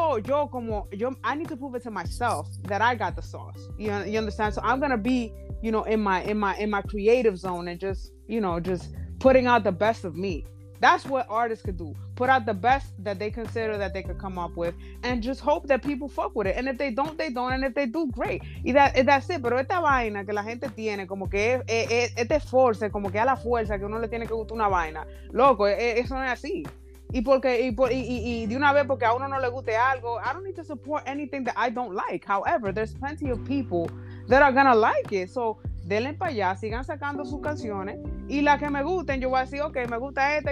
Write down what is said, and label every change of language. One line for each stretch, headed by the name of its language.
English: I need to prove it to myself that I got the sauce. You understand? So I'm gonna be, you know, in my creative zone and just, you know, just putting out the best of me. That's what artists could do. Put out the best that they consider that they could come up with and just hope that people fuck with it. And if they don't, they don't. And if they do, great. That's it.
Spanish: Pero esta vaina que la gente tiene, como que este force, como que a la fuerza que uno le tiene que gustar una vaina. Loco, eso no es así. Y de una vez porque a uno no le guste algo,
English: I don't need to support anything that I don't like. However, there's plenty of people that are gonna like it. So,
Spanish: denle para allá, sigan sacando sus canciones. Y la que me gusten, yo voy a decir, ok, me gusta esta.